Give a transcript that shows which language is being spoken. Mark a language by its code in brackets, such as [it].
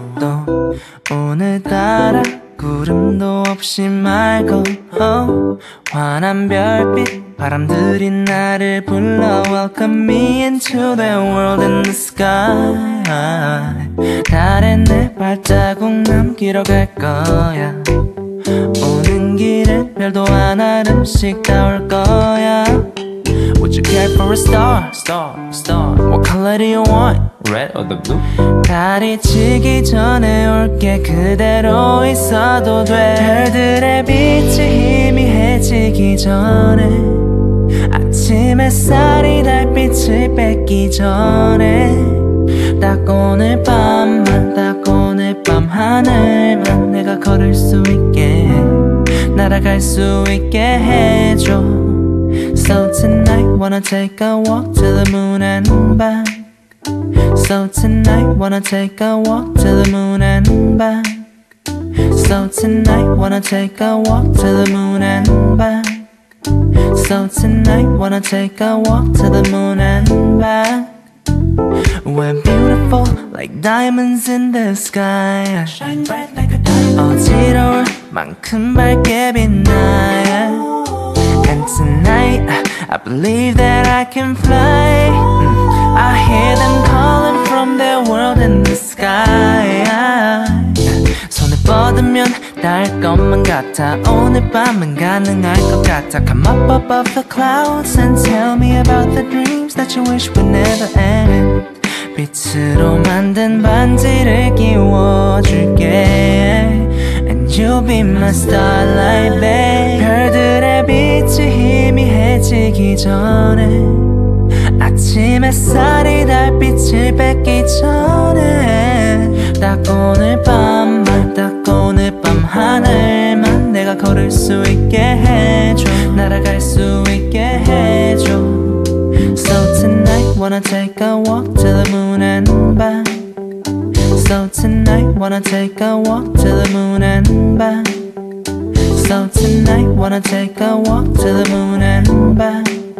[ko] 또 오늘따라 구름도 없이 맑어. 환한 별빛 바람들이 나를 불러. [en] Welcome me into the world in the sky. [ko] 달에 내 발자국 남기러 갈 거야. 오는 길에 별도 한 알음씩 따올 거야. [en] Would you care for a star? Star, star. What color do you want? Red or the blue? [ko] 가리치기 전에 올게. 그대로 있어도 돼. 별들의 빛이 희미해지기 전에. 아침 햇살이 달빛을 뺏기 전에. 딱 오늘 밤만, 딱 오늘 밤 하늘만 내가 걸을 수 있게, 날아갈 수 있게 해줘. [en] So tonight wanna take a walk to the moon and back. So tonight wanna take a walk to the moon and back. So tonight wanna take a walk to the moon and back. So tonight wanna take a walk to the moon and back. We're beautiful like diamonds in the sky. Shine bright like a diamond. [ko] 어지러울 만큼 밝게 빛나야. [en] And tonight I believe that I can fly. I hear them calling from their world in the sky. [ko] 손을 뻗으면 닿을 것만 같아. 오늘 밤은 가능할 것 같아. [en] Come up above the clouds and tell me about the dreams that you wish would never end. [ko] 빛으로 만든 반지를 끼워줄게. [en] And you'll be my starlight, babe. [ko] 별들의 빛이 희미해지기 전에. 아침 햇살이 달빛을 뺏기 전에. 딱 오늘 밤만, 딱 오늘 밤 하늘만 내가 걸을 수 있게 해줘. 날아갈 수 있게 해줘. [en] So tonight wanna take a walk to the moon and back. So tonight wanna take a walk to the moon and back. So tonight wanna take a walk to the moon and back.